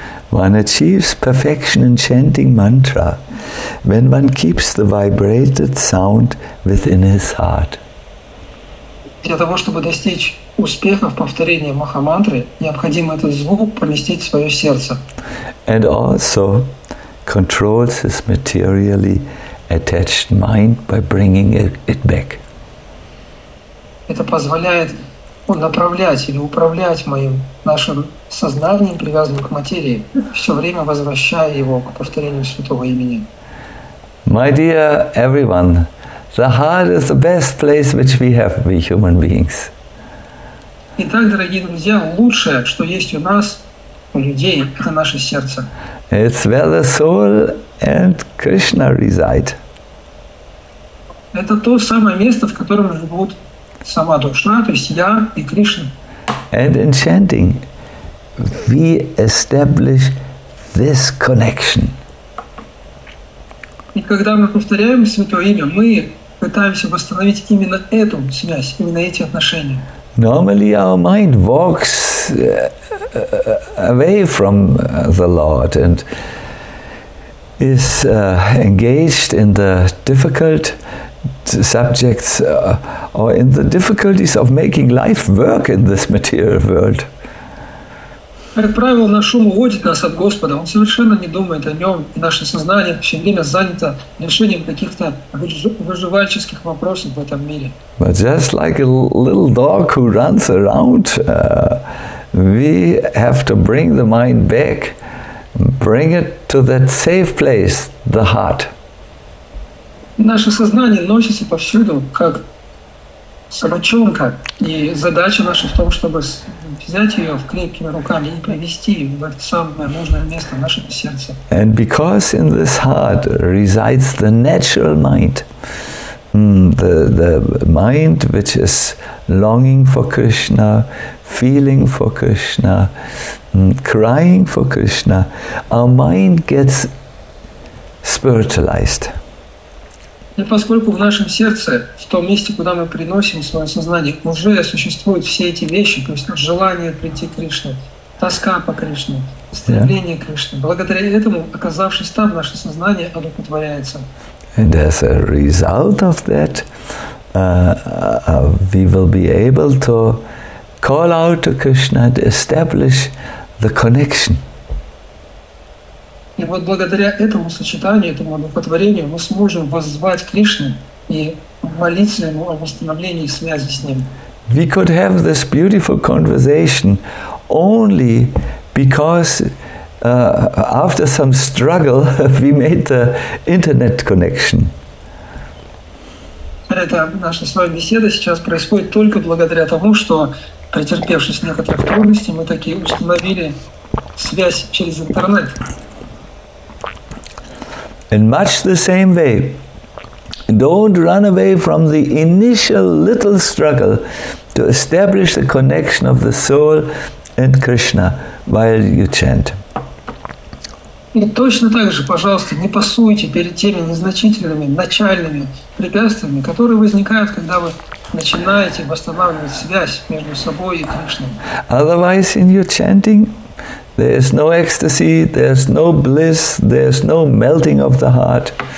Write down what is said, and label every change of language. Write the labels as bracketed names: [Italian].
[English] One achieves perfection in chanting mantra when one keeps the vibrated sound within his heart. [Russian] Для того, чтобы достичь успеха в повторении Махамантры, необходимо этот звук поместить в свое сердце. [English] And also controls his materially attached mind by bringing it back. [Russian] Это позволяет направлять или управлять нашим сознанием, привязанным к материи, все время возвращая его к повторению святого имени. [English] My dear everyone, the heart is the best place which we have, we human beings. [Russian] Итак, дорогие друзья, лучшее, что есть у нас, у людей, это наше сердце. [English] It's where the soul and Krishna reside. [Russian] Это то самое место, в котором живут сама душа, то есть я и Кришна. [English] And in chanting, we establish this connection. [Russian] И когда мы повторяем святое имя, мы пытаемся восстановить именно эту связь, именно эти отношения. [English] Normally our mind walks away from the Lord and is engaged in the difficult subjects or in the difficulties of making life work in this material world. [Russian] Как правило, наш ум уводит нас от Господа, он совершенно не думает о нем, и наше сознание все время занято решением каких-то выживальческих вопросов в этом мире. [English] But just like a little dog who runs around, we have to bring the mind back, bring it to that safe place, the heart. [Russian] Наше сознание носится повсюду, как собачонка, и задача наша в том, чтобы взять ее в крепкими руками и привести в это самое нужное место в нашем сердце. [English] And because in this heart resides the natural mind, the mind which is longing for Krishna, feeling for Krishna, crying for Krishna, our mind gets spiritualized. [Russian] И поскольку в нашем сердце, в том месте, куда мы приносим свое сознание, уже существуют все эти вещи, то есть желание прийти к Кришне, тоска по Кришне, стремление к Кришне. Благодаря этому, оказавшись там, наше сознание одухотворяется. [English] And as a result of that, we will be able to call out to Krishna and establish the connection. [Russian] И вот благодаря этому сочетанию, этому одухотворению, мы сможем воззвать Кришне и молиться Ему о восстановлении связи с Ним. [English] We could have this beautiful conversation only because after some struggle we made the internet connection. [Russian] Это наша с вами беседа сейчас происходит только благодаря тому, что, претерпевшись некоторых трудностей, мы таки установили связь через интернет. [English] In much the same way, don't run away from the initial little struggle to establish the connection of the soul and Krishna while you chant. [Russian] И точно так же, пожалуйста, не пасуйте перед теми незначительными начальными препятствиями, которые возникают, когда вы начинаете восстанавливать связь между собой и Кришной. [English] Otherwise, in your chanting, there is no ecstasy, there is no bliss, there is no melting of the heart.